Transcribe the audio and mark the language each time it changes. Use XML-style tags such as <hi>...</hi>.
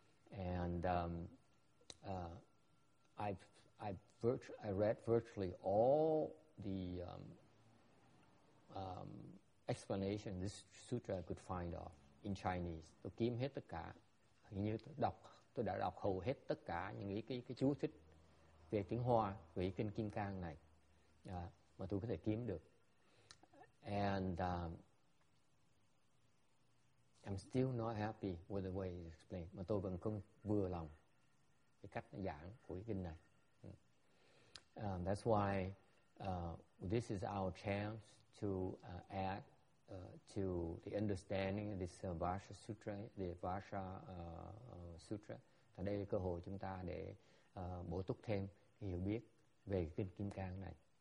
<en>And I read virtually all the explanation this sutra could find of in Chinese.</en> <vi>Tôi kiếm hết tất cả, hình như tôi đã đọc hầu hết tất cả những cái chú thích về tiếng Hoa về kinh Kim Cang này mà tôi có thể kiếm được.</vi> <en>And I'm still not happy with the way it's explained.</en> <vi>Mà tôi vẫn không vừa lòng cái cách giảng của cái kinh này.</vi> <en>That's why this is our chance to add to the understanding of this Vajra Sutra, the Vajra Sutra.</en> <vi>Và đây là cơ hội chúng ta để bổ túc thêm hiểu biết về kinh Kim Cang này.</vi>